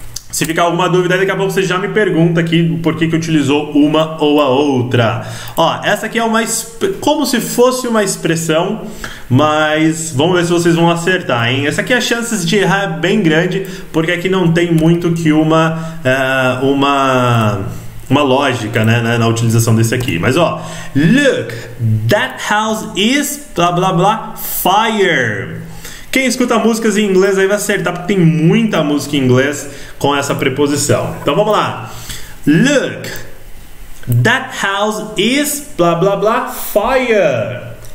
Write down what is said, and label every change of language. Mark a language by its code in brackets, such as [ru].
[pt] Se ficar alguma dúvida, daqui a pouco você já me pergunta aqui por que utilizou uma ou a outra. Ó, essa aqui é uma como se fosse uma expressão, mas vamos ver se vocês vão acertar, hein? Essa aqui é a chance de errar é bem grande, porque aqui não tem muito que uma lógica, né, na utilização desse aqui. Mas ó, [en] look, that house is blá blá blá fire. [pt] Quem escuta músicas em inglês aí vai acertar, porque tem muita música em inglês com essa preposição. Então vamos lá. [en] Look, that house is blá blá blá fire.